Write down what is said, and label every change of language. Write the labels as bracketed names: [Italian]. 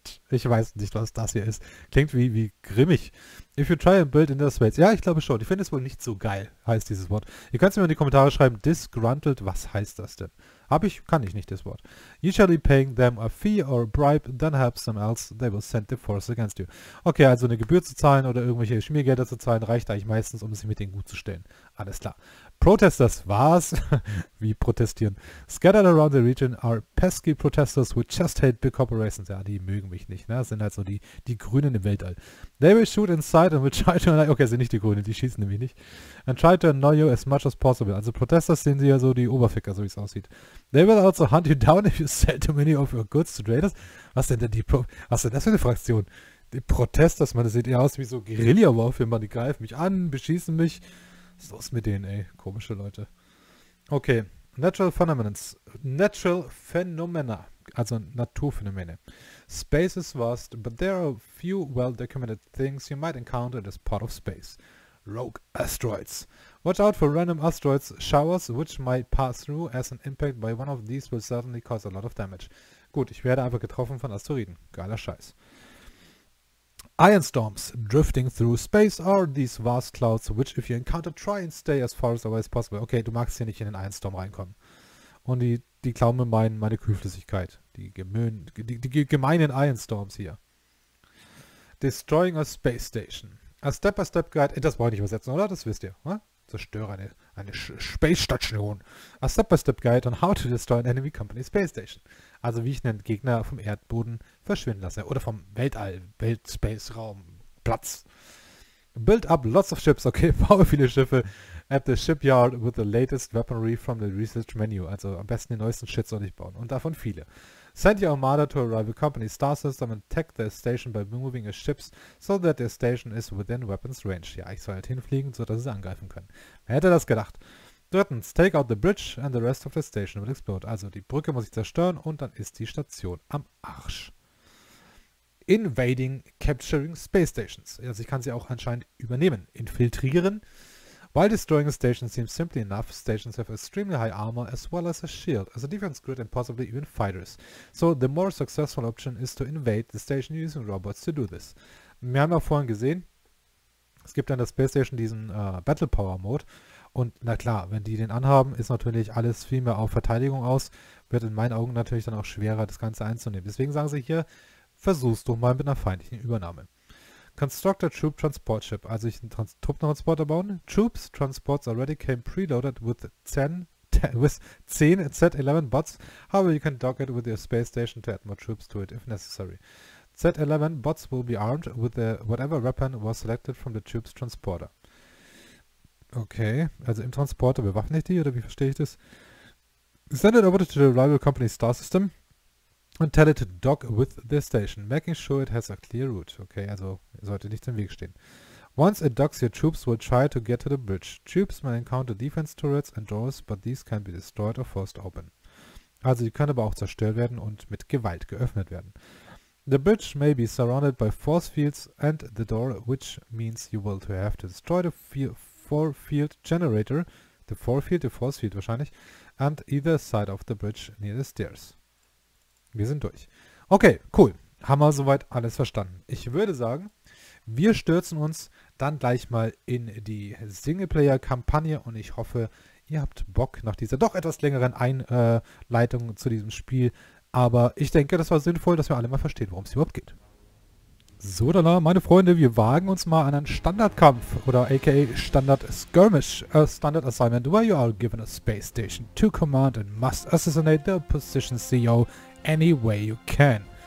[German] Ich weiß nicht, was das hier ist. Klingt wie grimmig. [English] If you try and build in the space. [German] Ja, ich glaube schon. Ich finde es wohl nicht so geil, heißt dieses Wort. Ihr könnt es mir in die Kommentare schreiben. Disgruntled, was heißt das denn? Kann ich nicht, das Wort. [English] Usually paying them a fee or a bribe, then help them else, they will send the force against you. [German] Okay, also eine Gebühr zu zahlen oder irgendwelche Schmiergelder zu zahlen, reicht eigentlich meistens, um sich mit denen gut zu stellen. Alles klar. Protesters, was? Wie protestieren? [English] Scattered around the region are pesky protesters who just hate big corporations. [German] Ja, die mögen mich nicht, ne? Das sind halt so die Grünen im Weltall. [English] They will shoot inside and will try to. [German] Okay, sind nicht die Grünen, die schießen nämlich nicht. [English] And try to annoy you as much as possible. [German] Also Protesters sehen sie ja so die Oberficker, so wie es aussieht. [English] They will also hunt you down if you sell too many of your goods to traders. [German] Was denn die Pro Was denn das für eine Fraktion? Die Protesters, man, das sieht eher aus wie so Guerilla-Warfare, man, die greifen mich an, beschießen mich. Was ist los mit denen, ey? Komische Leute. Okay. Natural Phenomena. Natural Phenomena. Also Naturphänomene. [English] Space is vast, but there are a few well-documented things you might encounter in this part of space. Rogue Asteroids. Watch out for random asteroids showers, which might pass through, as an impact by one of these will certainly cause a lot of damage. [German] Gut, ich werde einfach getroffen von Asteroiden. Geiler Scheiß. [English] Iron Storms, drifting through space, are these vast clouds, which if you encounter, try and stay as far as away as possible. [German] Okay, du magst hier nicht in den Iron Storm reinkommen. Und die klauen mir meine Kühlflüssigkeit. Die gemeinen Iron Storms hier. [English] Destroying a space station. A step-by-step guide. [German] Das brauche ich nicht übersetzen, oder? Das wisst ihr. Zerstöre eine Space Station. [English] A step-by-step guide on how to destroy an enemy company space station. [German] Also wie ich einen Gegner vom Erdboden verschwinden lasse. Oder vom Weltall, Weltspace-Raum, Platz. [English] Build up lots of ships. Okay, [German] baue viele Schiffe [English] at the shipyard with the latest weaponry from the research menu. [German] Also am besten den neuesten Shit soll ich bauen. Und davon viele. [English] Send your armada to a rival company star system and attack their station by moving a ships so that their station is within weapons range. [German] Ja, ich soll halt hinfliegen, sodass sie angreifen können. Wer hätte das gedacht? [English] Drittens, take out the bridge and the rest of the station will explode. [German] Also die Brücke muss ich zerstören und dann ist die Station am Arsch. [English] Invading, capturing space stations. [German] Also ich kann sie auch anscheinend übernehmen. Infiltrieren. [English] While destroying a station seems simply enough, stations have extremely high armor as well as a shield, as a defense grid and possibly even fighters. So the more successful option is to invade the station using robots to do this. [German] Wir haben ja vorhin gesehen, es gibt an der Space Station diesen Battle Power Mode. Und na klar, wenn die den anhaben, ist natürlich alles viel mehr auf Verteidigung aus. Wird in meinen Augen natürlich dann auch schwerer, das Ganze einzunehmen. Deswegen sagen sie hier, versuch's doch mal mit einer feindlichen Übernahme. Constructor Troop Transport Ship. Also ich einen Truppentransporter bauen. [English] Troops Transports already came preloaded with 10 Z-11 Bots. However, you can dock it with your space station to add more troops to it if necessary. Z-11 Bots will be armed with whatever weapon was selected from the Troops Transporter. [German] Okay, also im Transporter bewaffne ich die oder wie verstehe ich das? [English] Send it over to the rival company Star System and tell it to dock with the station, making sure it has a clear route. Okay, [German] also sollte nichts im Weg stehen. [English] Once it docks, your troops will try to get to the bridge. Troops may encounter defense turrets and doors, but these can be destroyed or forced open. [German] Also die können aber auch zerstört werden und mit Gewalt geöffnet werden. [English] The bridge may be surrounded by force fields and the door, which means you will have to destroy the four field generator, the four field, the force field wahrscheinlich, and either side of the bridge near the stairs. [German] Wir sind durch. Okay, cool. Haben wir soweit alles verstanden. Ich würde sagen, Wir stürzen uns dann gleich mal in die Singleplayer-Kampagne und ich hoffe, ihr habt Bock nach dieser doch etwas längeren Einleitung zu diesem Spiel. Aber ich denke, das war sinnvoll, dass wir alle mal verstehen, worum es überhaupt geht. So, dann, meine Freunde, wir wagen uns mal an einen Standardkampf oder aka Standard Skirmish. [English] A Standard Assignment, where you are given a space station to command and must assassinate the opposition CEO any way you can.